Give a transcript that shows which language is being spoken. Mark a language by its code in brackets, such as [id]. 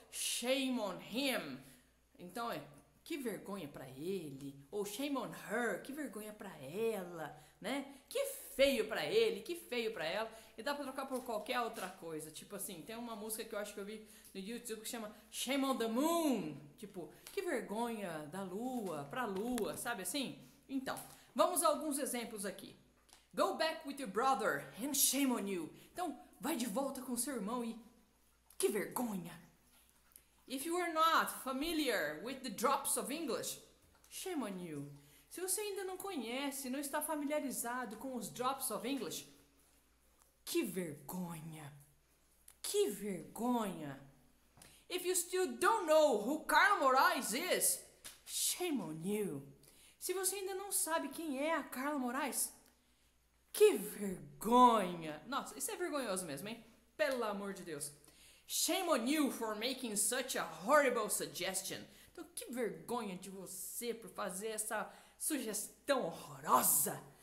[en] Shame on him. [pt] Então é... Que vergonha pra ele, ou [en] shame on her, [pt] que vergonha pra ela, né? Que feio pra ele, que feio pra ela. E dá pra trocar por qualquer outra coisa. Tipo assim, tem uma música que eu acho que eu vi no YouTube que chama Shame on the Moon. Tipo, que vergonha da lua, pra lua, sabe assim? Então, vamos a alguns exemplos aqui. [en] Go back with your brother and shame on you. [pt] Então, vai de volta com seu irmão e que vergonha. [en] If you are not familiar with the drops of English, shame on you. [pt] Se você ainda não conhece, não está familiarizado com os drops of English, que vergonha. Que vergonha. [en] If you still don't know who Carla Moraes is, shame on you. [pt] Se você ainda não sabe quem é a Carla Moraes, que vergonha. Nossa, isso é vergonhoso mesmo, hein? Pelo amor de Deus. [en] Shame on you for making such a horrible suggestion. [pt] Então, que vergonha de você por fazer essa sugestão horrorosa.